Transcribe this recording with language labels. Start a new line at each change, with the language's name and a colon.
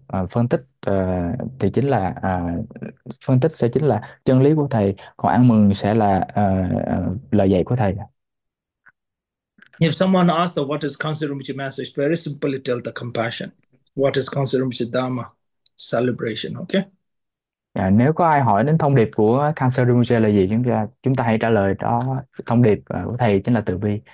Vietnamese: Phân tích thì chính là phân tích sẽ chính là chân lý của thầy, còn ăn mừng sẽ là lời dạy của thầy.
English: If someone asks the what is Kansuramichi message, very simply tell the compassion. What is Kansuramichi dharma? Celebration, okay?
Vietnamese: Nếu có ai hỏi đến thông điệp của Kansai Rinpoche là gì, chúng ta hãy trả lời đó, thông điệp của thầy chính là từ bi.